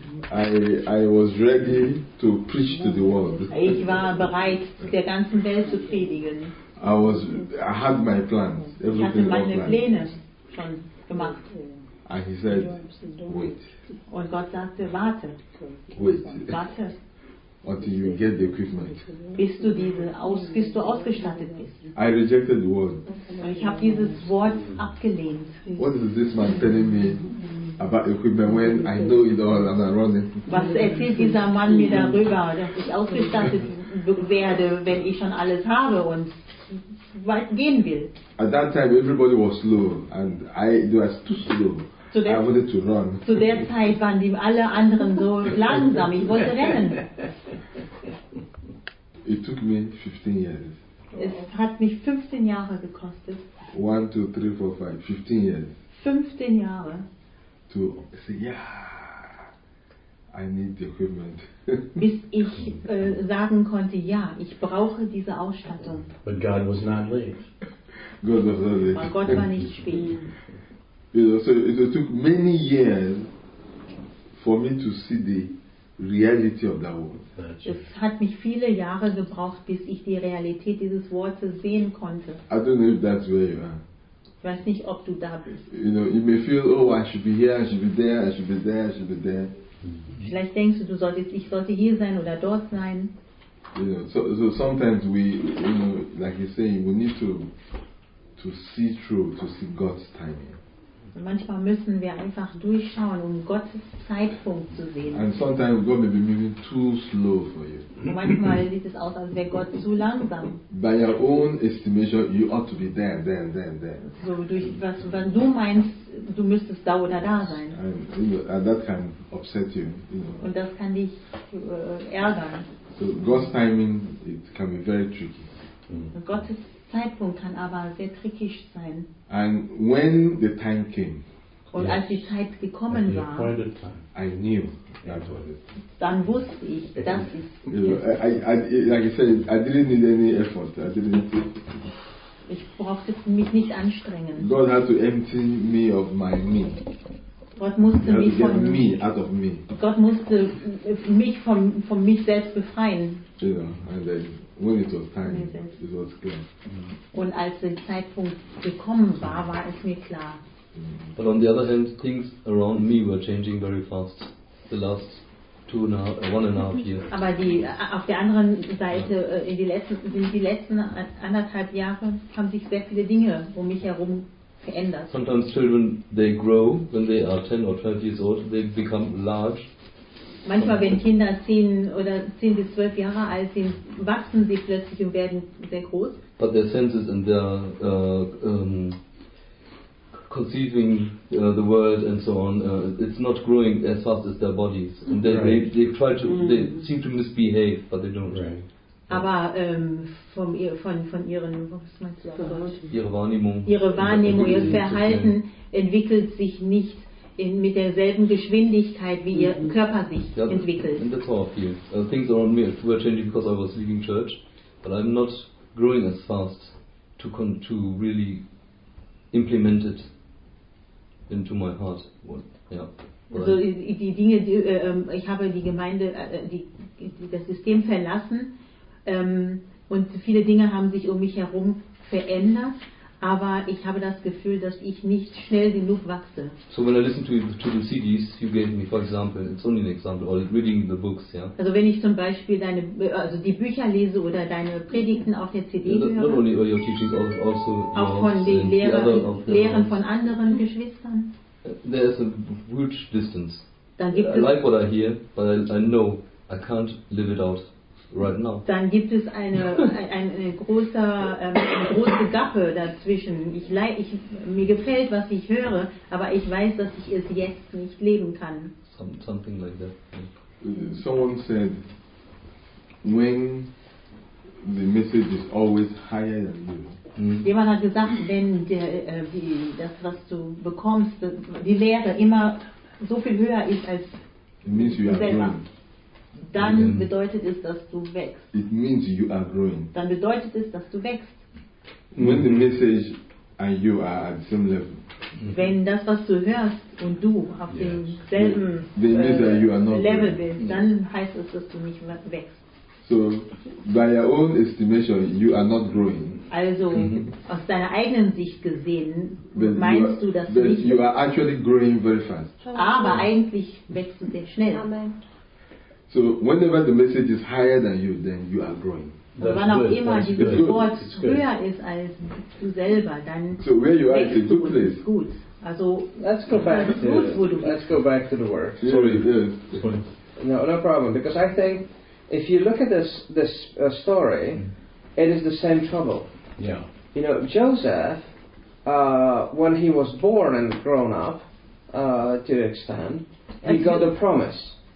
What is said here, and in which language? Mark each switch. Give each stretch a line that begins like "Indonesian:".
English: I was ready to preach to the world.
German: Ich war bereit, der ganzen Welt zu predigen.
English: I had my plans. Everything
German: ich hatte meine Pläne schon gemacht.
English: And he said, wait.
German: Und Gott sagte, warte. Warte.
English: Until you get the equipment.
German: Bis du ausgestattet bist.
English: I rejected the word.
German: Ich habe dieses Wort abgelehnt.
English: What is this man telling me? About equipment when I know it all and I'm running.
German: Was erzählt dieser Mann mir darüber, dass ich ausgestattet werde, wenn ich schon alles habe und weit gehen will?
English: At that time everybody was slow and I was too slow. I wanted to run.
German: Zu der Zeit waren die alle anderen so langsam. Ich wollte rennen.
English: It took me 15 years.
German: Es hat mich 15 Jahre gekostet.
English: 1, 2, 3, 4, 5. 15 years.
German: 15 Jahre.
English: To say, yeah, I need the equipment.
German: Bis ich sagen konnte, ja, ich brauche diese Ausstattung.
English: But God was not late. God was not late.
German: Aber Gott war nicht spät.
English: You know, so it took many years for me to see the reality of that word.
German: Es hat mich viele Jahre gebraucht, bis ich die Realität dieses Wortes sehen konnte.
English: I don't know if that's where you are.
German: Ich weiß nicht, ob du da bist.
English: You know, you may feel, oh, I should be here, I should be there, I should be there, I should be there. Mm-hmm.
German: Vielleicht denkst du, ich sollte hier sein oder dort sein.
English: You know, so sometimes we, you know, like you're saying, we need to see through, to see God's timing.
German: Und manchmal müssen wir einfach durchschauen, um Gottes Zeitpunkt zu sehen.
English: And sometimes God may be moving too slow for you.
German: Und manchmal sieht es aus, als wäre Gott zu langsam.
English: By your own estimation, you ought to be there, there, there, there.
German: So durch was, wenn du meinst, du müsstest da oder da sein.
English: And that can upset you, you know.
German: Und das kann dich ärgern.
English: So God's timing, it can be very tricky.
German: Gottes Zeitpunkt kann aber sehr trickig sein.
English: And when the time came,
German: und
English: yes,
German: als die Zeit gekommen war,
English: I knew that was it.
German: Dann wusste ich, das ist es.
English: Like I said, I didn't need any effort.
German: Ich brauchte mich nicht anstrengen.
English: God had to empty me of my me.
German: Gott musste mich von mich selbst befreien.
English: You know, and then when it was time, it was clear.
German: Und als der Zeitpunkt gekommen war, war es mir klar.
English: But on the other hand, things around me were changing very fast the last 1.5 years.
German: Aber die auf der anderen Seite in die letzten anderthalb Jahre haben sich sehr viele Dinge um mich herum verändert.
English: Sometimes children, they grow when they are 10 or 12 years old, they become large.
German: Manchmal, wenn Kinder 10 bis 12 Jahre alt sind, wachsen sie plötzlich und werden sehr groß.
English: But their senses and their conceiving the world and so on, it's not growing as fast as their bodies. And then right. they seem to misbehave, but they don't. Right.
German: Aber von ihren, was meinst du auf Deutsch? Ihre Wahrnehmung, ihr Verhalten entwickelt sich nicht mit derselben Geschwindigkeit, wie ihr Körper sich entwickelt.
English: And that's how I feel. Things around me were changing because I was leaving church, but I'm not growing as fast to really implement it into my heart. Well, yeah.
German: Also die Dinge, die ich habe die Gemeinde, das System verlassen und viele Dinge haben sich um mich herum verändert, aber ich habe das Gefühl, dass ich nicht schnell genug wachse.
English: So when I listen to the CDs you gave me, for example, it's only an example, or reading the books, yeah.
German: Also wenn ich zum Beispiel deine, also die Bücher lese oder deine Predigten auf der CD höre.
English: Not only all your teachings, also
German: auch von den Lehren von anderen Geschwistern.
English: There is a huge distance.
German: Dann gibt
English: I like what I hear, but I know I can't live it out right now.
German: Dann gibt es eine große Gappe dazwischen. Mir gefällt, was ich höre, aber ich weiß, dass ich es jetzt nicht leben kann.
English: Something like that. Someone said, when the message is always higher than you.
German: Jemand hat gesagt, wenn das, was du bekommst, die Lehre immer so viel höher ist als du selber, dann bedeutet es, dass du wächst.
English: It means you are growing.
German: Dann bedeutet es, dass du wächst.
English: When the message and you are at the same level.
German: Wenn das, was du hörst und du auf demselben Level bist, dann heißt es, dass du nicht mehr wächst.
English: So, by your own estimation, you are not growing.
German: Also, aus deiner eigenen Sicht gesehen, meinst du, dass
English: but
German: du nicht...
English: You are actually growing very fast.
German: Aber eigentlich wächst du sehr schnell.
English: Amen. So, whenever the message is higher than you, then you are growing.
German: Und wann auch immer dieses Wort höher ist als du selber, dann
English: so where you are is a good place.
German: Gut. Also,
English: let's go back to the work. Yeah. Sorry. Yeah. No problem, because I think if you look at this story, it is the same trouble. Yeah. You know, Joseph, when he was born and grown up, to an extent, he got a promise.